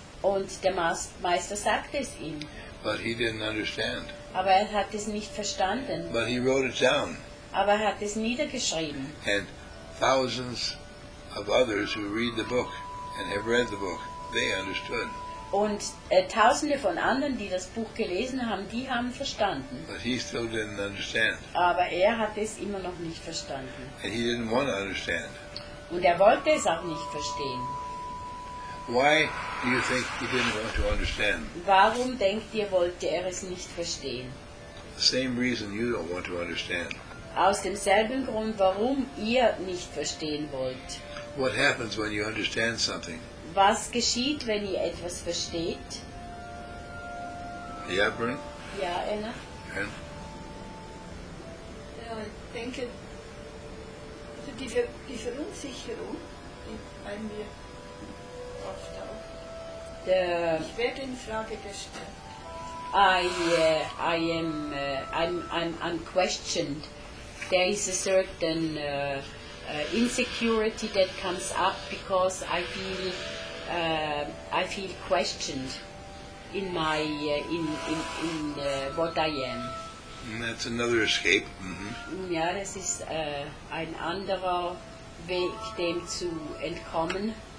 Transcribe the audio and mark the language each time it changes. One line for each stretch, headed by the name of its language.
German: Und der Meister sagte es ihm.
English: But he didn't understand.
German: Aber er hat es nicht verstanden.
English: But he wrote it down.
German: Aber er hat es niedergeschrieben.
English: And thousands of others who read the book and have read the book, they understood.
German: Und tausende von anderen, die das Buch gelesen haben, die haben verstanden.
English: But he still didn't understand.
German: Aber er hat es immer noch nicht verstanden.
English: And he didn't want to understand.
German: Und er wollte es auch nicht verstehen.
English: Why do you think he didn't want to understand?
German: Warum denkt ihr, wollte er es nicht verstehen?
English: The same reason you don't want to understand.
German: Aus demselben Grund, warum ihr nicht verstehen wollt.
English: What happens when you understand something?
German: Was geschieht, wenn ihr etwas versteht? Ja, Brian? Ja, Anna? Brian? Ja, ich denke, Also diese Verunsicherung, die bei mir auftaucht. Ich werde in Frage gestellt.
English: I'm unquestioned. There is a certain insecurity that comes up because I feel questioned in my in what I am. And that's another escape. Mm-hmm.
German: Ja, das ist ein anderer Weg, dem zu entkommen.